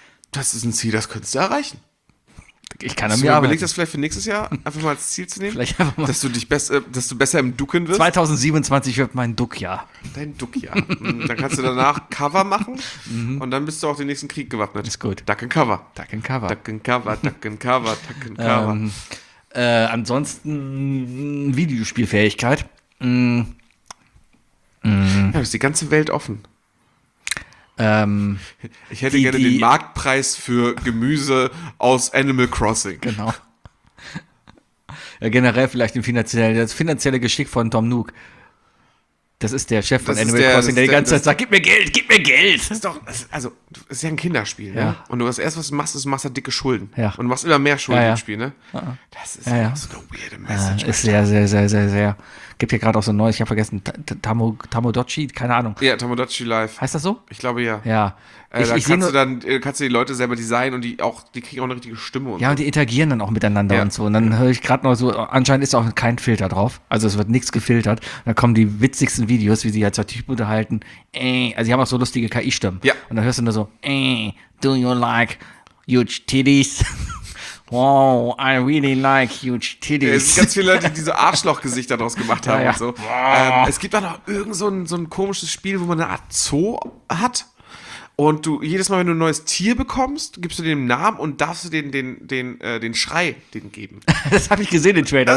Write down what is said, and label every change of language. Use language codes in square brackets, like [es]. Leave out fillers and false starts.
[de] Das ist ein Ziel, das könntest du erreichen. Ich kann an mir arbeiten. Überleg das vielleicht für nächstes Jahr, einfach mal als Ziel zu nehmen. Vielleicht einfach mal. Dass du besser im Ducken wirst. 2027 wird mein Duckjahr. Dein Duckjahr. Dann kannst du danach Cover machen und dann bist du auch den nächsten Krieg gewappnet. Ist gut. [en] Duck and Cover. Duck and Cover. Duck and Cover, Duck and Cover, Duck and Cover. [de] Ansonsten Videospielfähigkeit. Ja, ist die ganze Welt offen. Ich hätte gerne den Marktpreis für Gemüse aus Animal Crossing. Genau. Ja, generell vielleicht das finanzielle Geschick von Tom Nook. Das ist der Chef von Animal Crossing, der die ganze Zeit sagt, gib mir Geld. Das ist ja ein Kinderspiel. Ja. Ne? Und was du machst, ist dicke Schulden. Ja. Und du machst immer mehr Schulden im Spiel. Ne? Das ist so eine weirde Message. Ist sehr, sehr, sehr, sehr, sehr. Gibt hier gerade auch so ein neues, ich habe vergessen, Tamodachi, keine Ahnung. Ja, Tamodachi Live. Heißt das so? Ich glaube, ja. Ja. Kannst du die Leute selber designen und die kriegen auch eine richtige Stimme. Und ja, und die interagieren dann auch miteinander und so. Und dann höre ich gerade noch so, anscheinend ist auch kein Filter drauf. Also es wird nichts gefiltert. Da kommen die witzigsten Videos, wie sie halt zwei Typen unterhalten. Also die haben auch so lustige KI-Stimmen. Ja. [en] Und dann hörst du nur so, do you like huge titties? Wow, I really like huge titties. [de] Es gibt ganz viele Leute, die so Arschlochgesichter draus gemacht haben. Ja, ja. Und so. Es gibt auch noch irgend so ein komisches Spiel, wo man eine Art Zoo hat. Und du jedes Mal, wenn du ein neues Tier bekommst, gibst du dem Namen und darfst du den Schrei den geben. Das habe ich gesehen im Trailer.